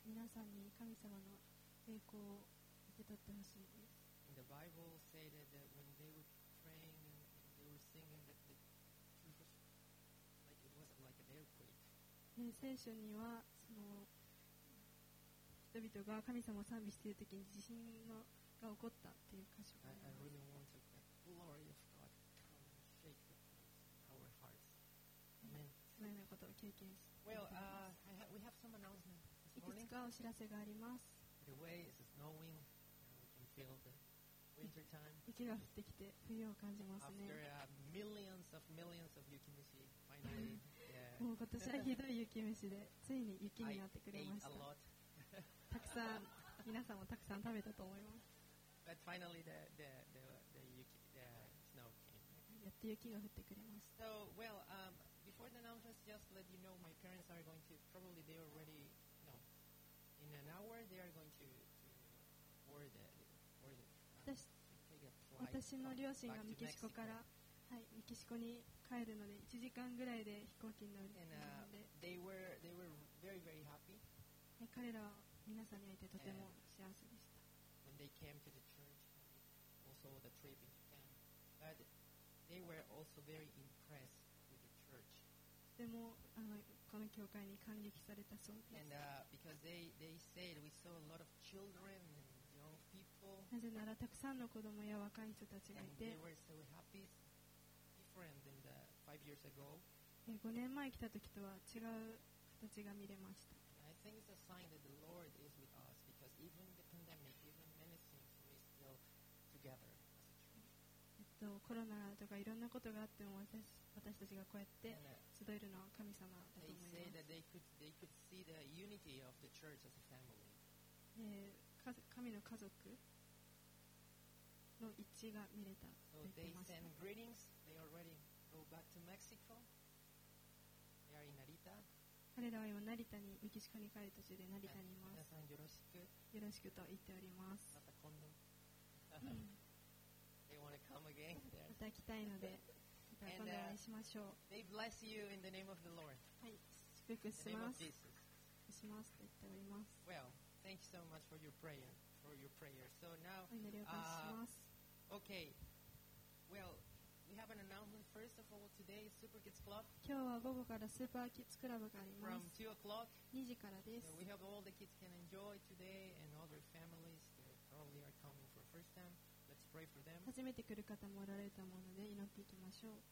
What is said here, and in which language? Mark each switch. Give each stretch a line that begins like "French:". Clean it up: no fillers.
Japanese: 皆さんに神様の栄光を受け取ってほしいです。
English: In the Bible stated that when they were praying and they were singing, that the truth was like it wasn't like an earthquake.
Japanese: 聖書にはその人々が神様を賛美しているときに地震が起こったっていう箇所があります。
English: I really want to the glory of God come and shake the place in our hearts. Amen.
Japanese: そのようなことを経験して
English: 。 Well, we have some announcements this morning.
Japanese: いくつかお知らせがあります。
English: The way is snowing. We can feel the winter time.
Japanese: 雪が降ってきて冬を感じますね。
English: After millions of 雪虫 finally.
Japanese: もう今年はひどい雪虫でついに雪になってくれました。
English: I ate a lot.
Japanese: たくさん皆さんもたくさん食べたと思います。
English: But finally the snow came.
Japanese: やっと雪が降ってくれました。
English: So well, before the announcements, just let you know my parents are going to probably they already no. In an hour they are going to board the
Japanese: 私の両親がメキシコから、はい、メキシコに帰るので1時間ぐらいで飛行機に乗るので。
English: And they were very very happy.
Japanese: 彼らは皆さんに会えてとても幸せでした。
English: When they came to the church, also the trip in Japan, but they were also very impressed with the church.
Japanese: でもあのこの教会に感激されたそうです。
English: And because they said we saw a lot of children and young people.
Japanese: なぜならたくさんの子供や若い人たちがいて。
English: And they were so happy, different than the 5 years ago.
Japanese: 5年前来た時とは違う形が見れました。
English: I think it's a sign that the Lord is with us because even the pandemic, even many things, we're still together as a church.
Japanese: コロナとかいろんなことがあっても私たちがこうやって集えるのは神様だと思います。
English: They say that they could see the unity of the church as a family.
Japanese: 神の家族の一致が見れたと言ってました。
English: So they send greetings. They already go back to Mexico. They are in Narita.
Japanese: 彼らは今成田にメキシコに帰る途中で成田にいます。皆さんよろしく。よろしくと言っております。また今度。
English: They want to come again.
Japanese: また来たいので、また今度お会いしましょう。
English: And, they bless you in the name of the Lord.
Japanese: はい、祝福します。
English: In the name of Jesus.
Japanese: しますと言っております。
English: Well, thank you so much for your prayer. For your prayer. So now,
Japanese: お祈りを感謝します。
English: Okay. Well. We have an announcement first of all today, Super Kids Club.
Japanese: 今日は午後からスーパーキッズクラブがあります。
English: From 2 o'clock.
Japanese: 2時からです。
English: So we hope all the kids can enjoy today and all their families that probably are coming for the first time. Let's pray for them.
Japanese: 初めて来る方もおられたもので祈っていきましょう。